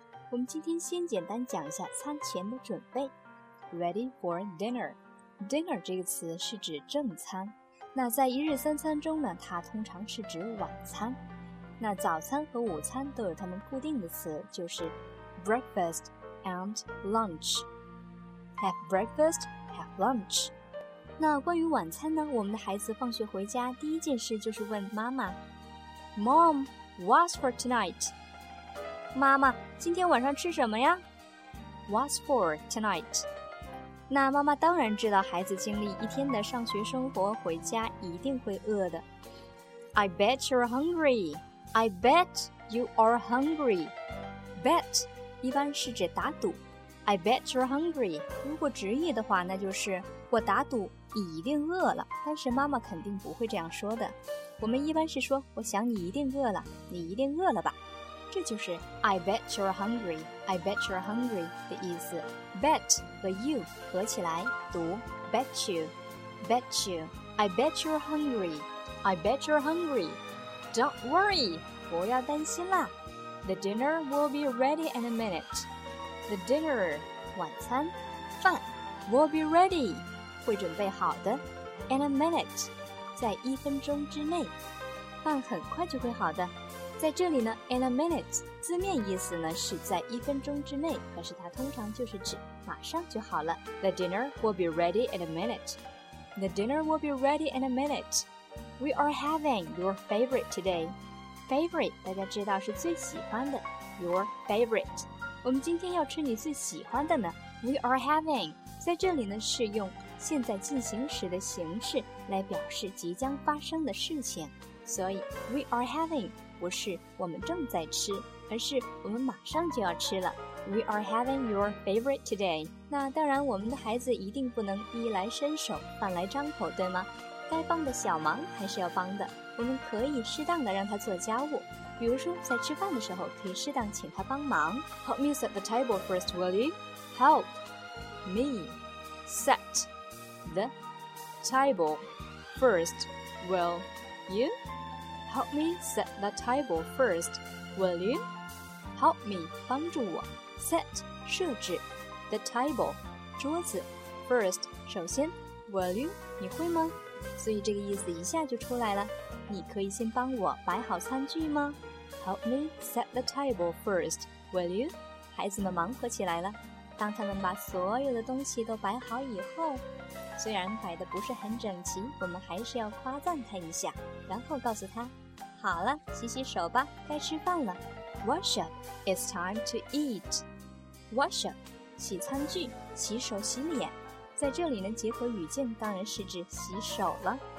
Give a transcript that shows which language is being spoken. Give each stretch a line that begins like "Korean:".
Chinese: 我们今天先简单讲一下餐前的准备。
English: Ready for dinner.
Chinese: Dinner 这个词是指正餐。那在一日三餐中呢，它通常是指晚餐。那早餐和午餐都有它们固定的词，就是
English: breakfast and lunch. Have breakfast, have lunch.
Chinese: 那关于晚餐呢，我们的孩子放学回家第一件事就是问妈妈，
English: Mom, what's for tonight?
Chinese: 妈妈，今天晚上吃什么呀？
English: What's for tonight?
Chinese: 那妈妈当然知道孩子经历一天的上学生活，回家一定会饿的。
English: I bet you're hungry. I bet you are hungry. Bet
Chinese: 一般是指打赌。
English: I bet you're hungry.
Chinese: 如果直译的话，那就是我打赌你一定饿了。但是妈妈肯定不会这样说的。我们一般是说，我想你一定饿了，你一定饿了吧。这就是
English: I bet you're hungry, I bet you're hungry
Chinese: 的意思。
English: Bet 和 you
Chinese: 合起来读
English: bet you, bet you. I bet you're hungry, I bet you're hungry. Don't worry,
Chinese: 不要担心啦。
English: The dinner will be ready in a minute. The dinner,
Chinese: 晚餐，饭
English: will be ready,
Chinese: 会准备好的。
English: In a minute,
Chinese: 在一分钟之内，饭很快就会好的。在这里呢 ，
English: in a minute，
Chinese: 字面意思呢是在一分钟之内，可是它通常就是指马上就好了。
English: The dinner will be ready in a minute. The dinner will be ready in a minute. We are having your favorite today.
Chinese: Favorite 大家知道是最喜欢的 ，
English: your favorite。
Chinese: 我们今天要吃你最喜欢的呢。
English: We are having
Chinese: 在这里呢是用现在进行时的形式来表示即将发生的事情，所以
English: we are having。
Chinese: 不是我们正在吃，而是我们马上就要吃了。
English: We are having your favorite today.
Chinese: 那当然，我们的孩子一定不能衣来伸手，饭来张口，对吗？该帮的小忙还是要帮的。我们可以适当的让他做家务，比如说在吃饭的时候，可以适当请他帮忙。
English: Help me set the table first, will you? Help me set the table first, will you? Help me set the table first, will you? Help me,
Chinese: 帮助我。Set, 设置。
English: The table,
Chinese: 桌子。
English: First,
Chinese: 首先。
English: Will you?
Chinese: 你会吗？所以这个意思一下就出来了。你可以先帮我摆好餐具吗？
English: Help me set the table first, will you?
Chinese: 孩子们忙活起来了。当他们把所有的东西都摆好以后，虽然摆得不是很整齐，我们还是要夸赞他一下，然后告诉他，好了，洗洗手吧，该吃饭了。
English: Wash up, it's time to eat. Wash up,
Chinese: 洗餐具，洗手洗脸。在这里呢，结合语境当然是指洗手了。